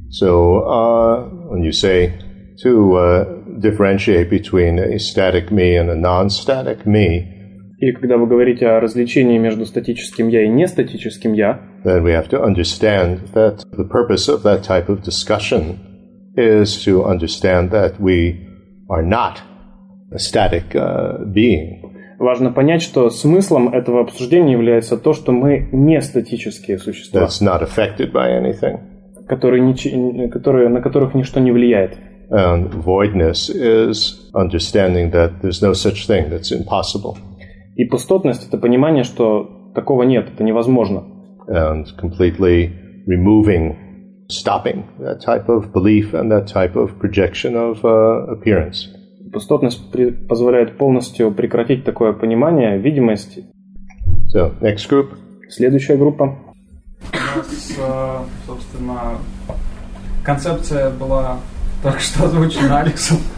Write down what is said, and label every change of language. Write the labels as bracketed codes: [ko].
[en] So, when you say to differentiate between a static me and a non-static me, [ru] и когда вы говорите о различии между статическим я и нестатическим я, [en] then we have to understand that the purpose of that type of discussion is to understand that we are not a static being. [ru] важно понять, что смыслом этого обсуждения является то, что мы не статические существа, [en] that's not affected by anything. [ru] Которые, на которых ничто не влияет. [en] And voidness is understanding that there's no such thing, that's impossible. [ru] И пустотность — это понимание, что такого нет, это невозможно. [en] And completely removing, stopping that type of belief and that type of projection of appearance. [ru] Пустотность позволяет полностью прекратить такое понимание, видимости. [en] So, next group. [ru] Следующая группа. У нас, собственно, концепция была только что озвучена Алексом.